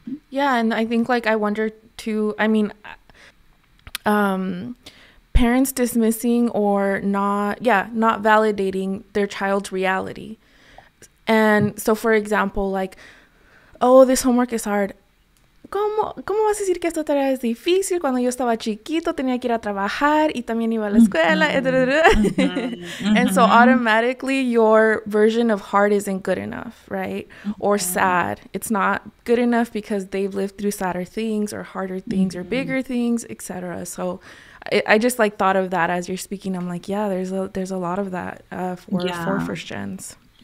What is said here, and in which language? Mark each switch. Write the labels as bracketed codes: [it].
[en] Yeah, and I think, like, I wonder too, I mean, parents dismissing or not validating their child's reality. And so, for example, like, oh, this homework is hard. [es] ¿Cómo vas a decir que esta tarea es difícil? Cuando yo estaba chiquito, tenía que ir a trabajar y también iba a la escuela. [en] And so automatically, your version of hard isn't good enough, right? Mm-hmm. Or sad. It's not good enough because they've lived through sadder things or harder things or bigger things, etc. So I just, like, thought of that as you're speaking. I'm like, yeah, there's a lot of that for first gens.